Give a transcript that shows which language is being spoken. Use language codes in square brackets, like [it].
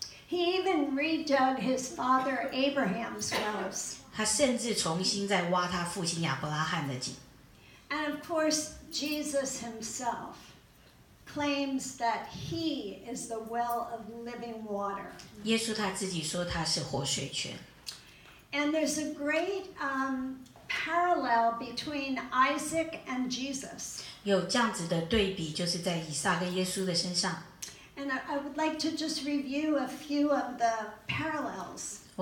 [en] He even redug his father Abraham's wells. [zh] 他甚至重新在挖他父亲亚伯拉罕的井。 [en] And of course, Jesus himself claims that he is the well of living water. [zh] 耶稣他自己说他是活水泉。 [en] And there's a great parallel between Isaac and Jesus. [zh] 有这样子的对比就是在以撒跟耶稣的身上。 [en] And I would like to just review a few of the parallels.